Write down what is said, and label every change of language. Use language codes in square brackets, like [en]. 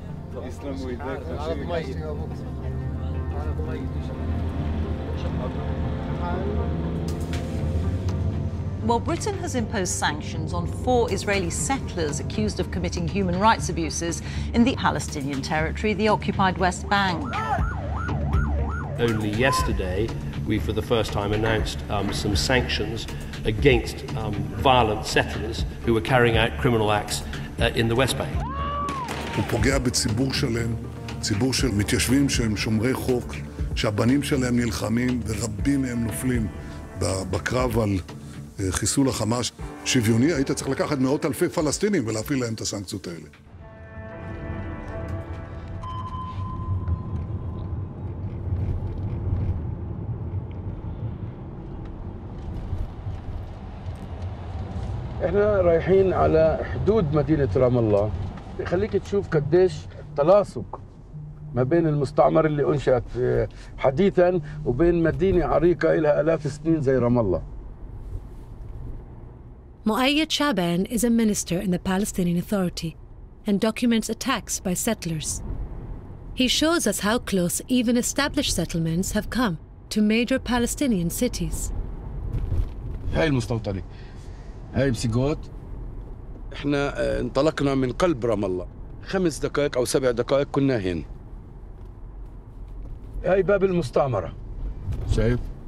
[en] While Britain has imposed sanctions on four Israeli settlers accused of committing human rights abuses in the Palestinian territory, the occupied West Bank. Only yesterday, we for the first time announced some sanctions against violent settlers who were carrying out criminal acts in the West Bank. [he] הוא פוגע בציבור שלם, ציבור של מתיישבים שהם שומרי חוק, שהבנים שלהם נלחמים ורבים מהם נופלים בקרב על חיסול החמאס. שוויוני, היית צריך לקחת מאות אלפי פלסטינים ולהפעיל להם את הסנקציות האלה. [ar] احنا رايحين على حدود مدينة رام الله. خليك تشوف قديش تلاصق ما بين المستعمر اللي أنشأت حديثا وبين مدينة عريقة لها آلاف السنين زي رام الله. [en] Mu'ayyad Shaban is a minister in the Palestinian Authority and documents attacks by settlers. He shows us how close even established settlements have come to major Palestinian cities. [ar] هاي المستوطنة هاي بسيقوت احنا انطلقنا من قلب رام الله خمس دقائق او سبع دقائق كنا هنا هاي باب المستعمرة شايف